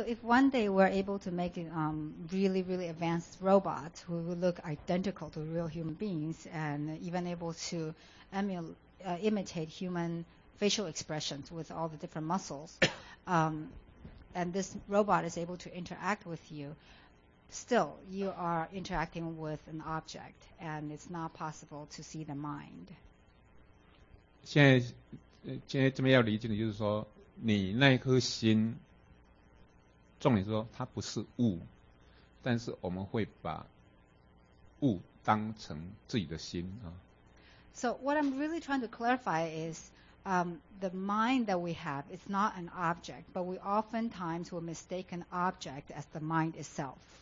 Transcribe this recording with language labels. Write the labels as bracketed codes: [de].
[en] if one day we're able to make really really advanced robots who look identical to real human beings and even able to imitate human facial expressions with all the different muscles. And this robot is able to interact with you, still, you are interacting with an object, and it's not possible to see the mind. [zh] 现在这么要理解的就是说，你那颗心，重点说它不是物，但是我们会把物当成自己的心啊。So [en] what I'm really trying to clarify is, the mind that we have is not an object, but we oftentimes will mistake an object as the mind itself.